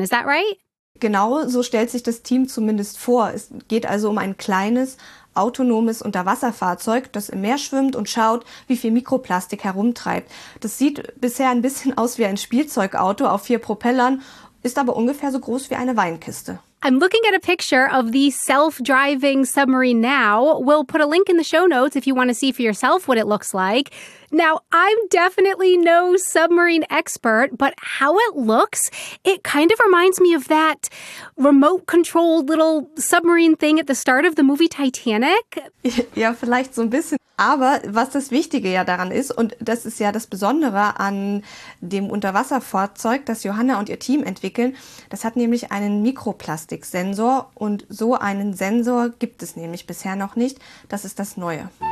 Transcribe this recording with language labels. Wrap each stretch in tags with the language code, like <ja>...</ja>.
<en>Is that right?</en> <de>Genau so stellt sich das Team zumindest vor. Es geht also um ein kleines, autonomes Unterwasserfahrzeug, das im Meer schwimmt und schaut, wie viel Mikroplastik herumtreibt. Das sieht bisher ein bisschen aus wie ein Spielzeugauto auf vier Propellern, ist aber ungefähr so groß wie eine Weinkiste.</de> <en>I'm looking at a picture of the self-driving submarine now. We'll put a link in the show notes if you want to see for yourself what it looks like. Now, I'm definitely no submarine expert, but how it looks, it kind of reminds me of that remote-controlled little submarine thing at the start of the movie Titanic.</en> <de>Ja, vielleicht so ein bisschen. Aber was das Wichtige ja daran ist, und das ist ja das Besondere an dem Unterwasserfahrzeug, das Johanna und ihr Team entwickeln, das hat nämlich einen Mikroplastiksensor. Und so einen Sensor gibt es nämlich bisher noch nicht. Das ist das Neue.</de>